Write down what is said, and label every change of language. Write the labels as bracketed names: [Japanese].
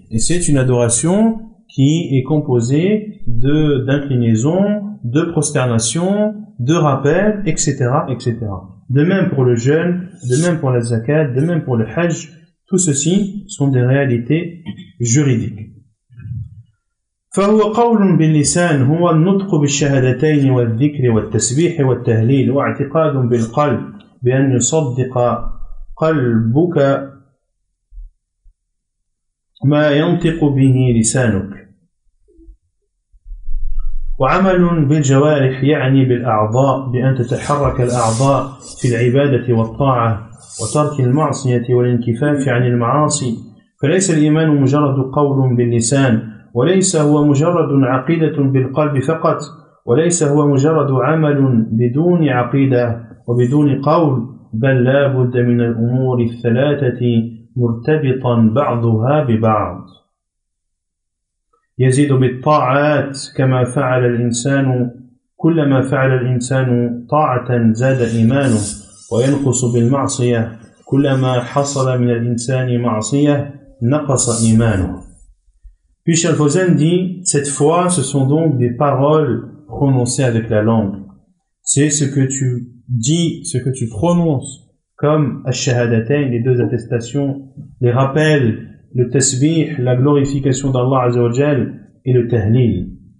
[French] Et c'est une adoration qui est composée d'inclinaisons, de prosternations, de rappels, etc., etc. De même pour le jeûne, de même pour la zakat, de même pour le hajj, tout ceci sont des réalités juridiques. [Arabic] فهو قول باللسان هو النطق بالشهادتين والذكر والتسبيح والتهليل واعتقاد بالقلب بأن يصدق قلبك ما ينطق به لسانك وعمل بالجوارح يعني بالأعضاء بأن تتحرك الأعضاء في العبادة والطاعة وترك المعصية والانكفاف عن المعاصي فليس الإيمان مجرد قول باللسان وليس هو مجرد عقيدة بالقلب فقط وليس هو مجرد عمل بدون عقيدة وبدون قول بل لا بد من الأمور الثلاثة مرتبطا بعضها ببعض يزيد بالطاعات كما فعل الإنسان كلما فعل الإنسان طاعة زاد إيمانه وينقص بالمعصية كلما حصل من الإنسان معصية نقص إيمانه. [French] Puis Cheikh Fawzan dit, cette foi, ce sont donc des paroles prononcées avec la langue. C'est ce que tu dis, ce que tu prononces, comme Ash-Shahadatayn, les deux attestations, les rappels, le tasbih, la glorification d'Allah Azzawajal et le tahlil.